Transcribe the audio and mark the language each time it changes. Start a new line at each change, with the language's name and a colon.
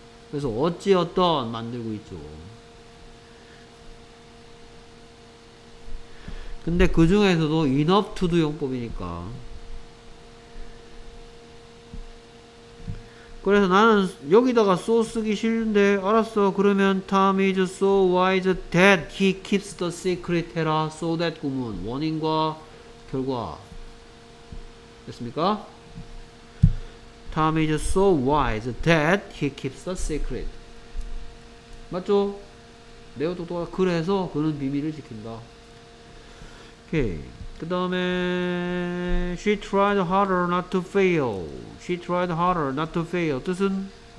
Korean: 그래서 어찌어떤 만들고 있죠. 근데 그 중에서도 enough to do 용법이니까. 그래서 나는 여기다가 so 쓰기 싫은데 알았어.
English: 그러면 Tom is so wise that he keeps the secret
Korean: 해라. so that 구문 원인과 결과 됐습니까?
English: Tom is so wise that he keeps the secret.
Korean: 맞죠? 매우 똑똑하다. 그래서 그는 비밀을 지킨다. 오케이. 그 다음에
English: She tried harder not to fail. She tried harder not to fail.
Korean: 뜻은?